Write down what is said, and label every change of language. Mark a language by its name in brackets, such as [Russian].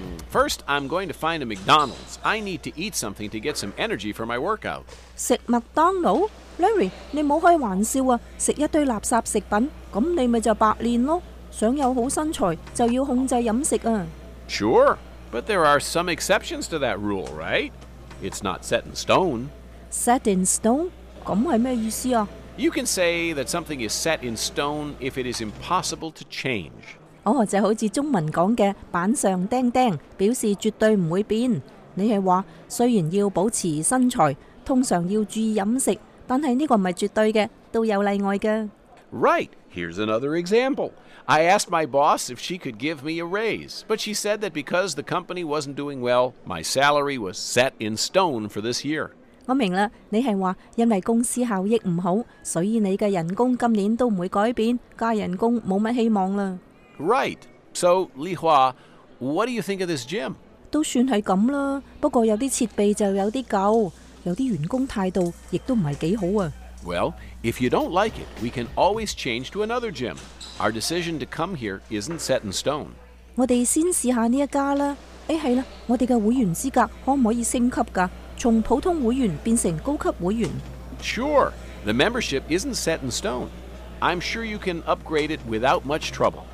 [English] First, I'm going to find a McDonald's. I need to eat something to get some energy for my workout. [Cantonese] 食麦当劳 ？Larry， 你冇开玩笑啊！食一堆垃圾食品，咁你咪就白练咯。想有好身材，就要控制饮食啊。 [English] Sure, but there are some exceptions to that rule, right? It's not set in stone. [Cantonese] Set in stone？ 咁系咩意思啊 [English] ？You can say that something is set in stone if it is impossible to change. [Cantonese] 哦，就好似中文讲嘅板上钉钉，表示绝对唔会变。你系话虽然要保持身材，通常要注意饮食，但系呢个唔系绝对嘅，都有例外嘅。 [English] Right, here's another example. I asked my boss if she could give me a raise, but she said that because the company wasn't doing well, my salary was set in stone for this year. [Cantonese] 我明啦，你系话因为公司效益唔好，所以你嘅人工今年都唔会改变，加人工冇乜希望啦。 [English] Right. So, Li Hua, what do you think of this gym? [Cantonese] 都算系咁啦，不过有啲设备就有啲旧，有啲员工态度亦都唔系几好啊。 [English] Well, if you don't like it, we can always change to another gym. Our decision to come here isn't set in stone. [Cantonese] 我哋先试下呢一家啦。诶，系啦，我哋嘅会员资格可唔可以升级噶？从普通会员变成高级会员 [English] ？Sure, the membership isn't set in stone. I'm sure you can upgrade it without much trouble.